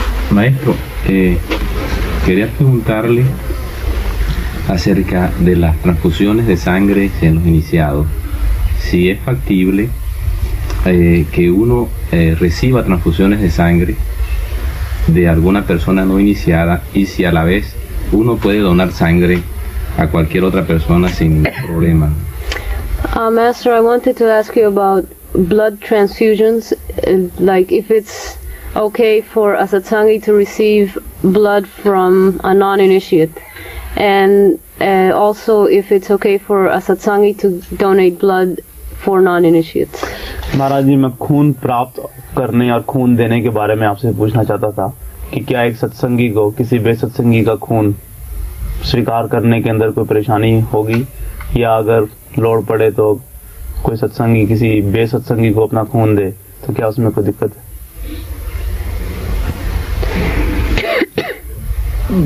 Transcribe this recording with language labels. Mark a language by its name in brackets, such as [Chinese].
[Spanish] Maestro, quería preguntarle acerca de las transfusiones de sangre en los iniciados. Si es factible que uno reciba transfusiones de sangre de alguna persona no iniciada y si a la vez uno puede donar sangre a cualquier otra persona sin problema. [English] Master, I wanted to ask you about blood transfusions, like if it's okay for a satsangi to receive blood from a non-initiate, and also if it's okay for a satsangi to donate blood for non-initiates. [Hindi] Maharaj ji, main khoon prapt karne aur khoon dene ke bare mein aapse puchna chahta tha. कि क्या एक सत्संगी को किसी बेसत्संगी का खून स्वीकार करने के अंदर कोई परेशानी होगी, या अगर लोड़ पड़े तो कोई सत्संगी किसी बेसत्संगी को अपना खून दे तो क्या उसमें कोई दिक्कत है?